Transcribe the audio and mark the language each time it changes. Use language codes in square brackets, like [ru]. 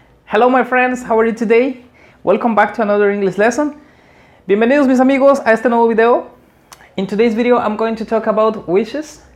[en] Hello my friends, how are you today? Welcome back to another English lesson. [es] Bienvenidos mis amigos a este nuevo video. [en] In today's video I'm going to talk about wishes.